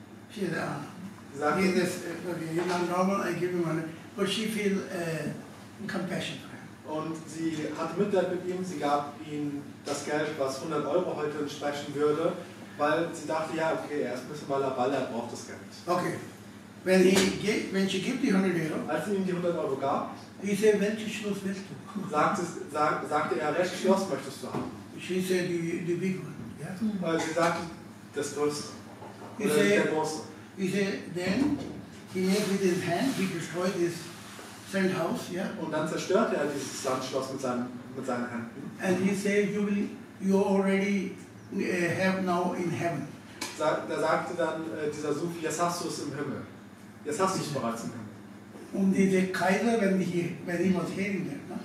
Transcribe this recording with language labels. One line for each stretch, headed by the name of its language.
English: She said, sagte, he is okay, not normal, I give him 100. But she feel compassion for him.
German: Und sie hatte Mitleid mit ihm, sie gab ihm das Geld, was 100 Euro heute entsprechen würde, weil sie dachte, ja, okay, er ist ein bisschen Baller, er braucht das Geld.
English: Okay. When he gave, when she gave the 100 Euro,
German: als sie ihm die 100 Euro gab,
English: he said,
German: welches Schloss willst du? Sagte er, welches Schloss möchtest du haben?
English: She said, the big one. Yeah?
German: Weil sie sagte, das Größte. Oder
English: he
German: der Große.
English: He said, then, he made with his hand, he destroyed his sand house, yeah?
German: Und dann zerstörte er dieses Sandschloss mit seinen Händen.
English: And he said, you already have now in heaven.
German: Da sagte dann dieser Sufi, jetzt hast du es im Himmel. Jetzt hast du es bereits im Himmel. Und der Kaiser, wenn
English: he was hearing that, no?